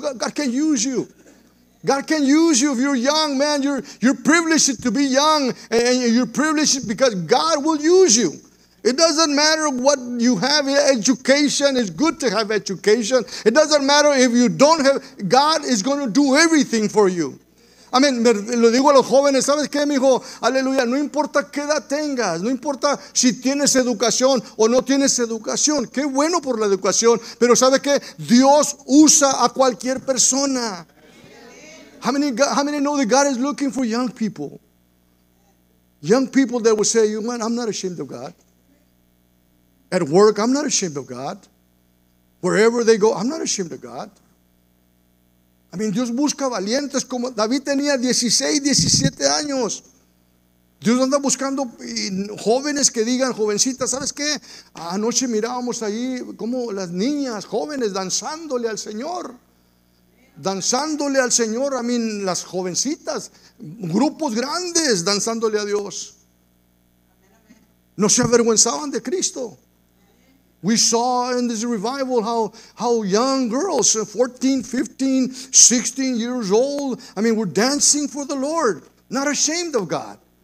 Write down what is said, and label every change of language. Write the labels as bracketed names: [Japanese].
[English] God can use you. God can use you if you're young, man. You're privileged to be young, and you're privileged because God will use you. It doesn't matter what you have, education, it's good to have education. It doesn't matter if you don't have, God is going to do everything for you. I mean, [Spanish] lo digo a los jóvenes, ¿sabes qué, mijo? Aleluya, no importa qué edad tengas, no importa si tienes educación o no tienes educación. Qué bueno por la educación, pero ¿sabes qué? Dios usa a cualquier persona. [English] How many know that God is looking for young people? Young people that will say, man, I'm not ashamed of God. At work, I'm not ashamed of God. Wherever they go, I'm not ashamed of God. I mean, [Spanish] Dios busca valientes como David tenía 16, 17 años. Dios anda buscando jóvenes que digan, jovencitas, ¿sabes qué? Anoche mirábamos ahí como las niñas, jóvenes, danzándole al Señor. Danzándole al Señor, a mí las jovencitas, grupos grandes danzándole a Dios. No se avergonzaban de Cristo. [English] We saw in this revival how young girls, 14, 15, 16 years old, I mean, were dancing for the Lord, not ashamed of God.